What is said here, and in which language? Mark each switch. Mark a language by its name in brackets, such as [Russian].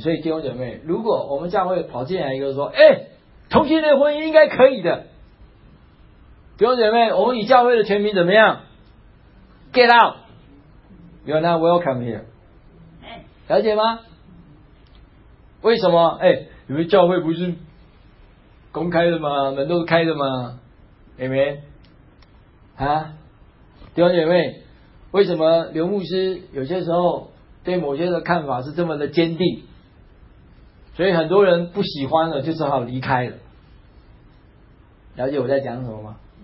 [Chinese] 所以弟兄姐妹，如果我们教会跑进来一个说，哎，同性恋婚姻应该可以的，弟兄姐妹，我们以教会的权柄怎么样？ [English] Get out, you're not welcome here, [Chinese] 了解吗？为什么？哎，你们教会不是公开的吗？门都开的吗？Amen。啊，弟兄姐妹，为什么刘牧师有些时候对某些的看法是这么的坚定，所以很多人不喜欢了就只好离开了，了解我在讲什么吗？